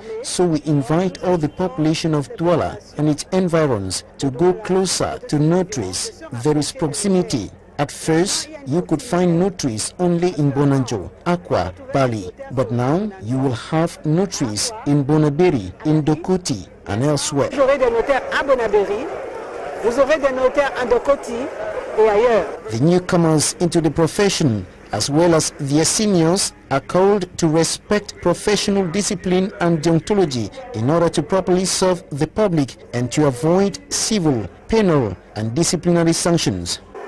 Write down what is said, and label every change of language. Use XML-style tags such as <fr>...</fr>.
<en>So we invite all the population of Douala and its environs to go closer to notaries. There is proximity. At first, you could find notaries only in Bonanjo, Akwa, Bali. But now, you will have notaries in Bonaberry, in Dokoti, and elsewhere.</en> <fr>Vous aurez des notaires à Bonaberry, vous aurez des notaires à Dokoti et ailleurs.</fr> <en>The newcomers into the profession, as well as their seniors, are called to respect professional discipline and deontology in order to properly serve the public and to avoid civil, penal, and disciplinary sanctions.</en>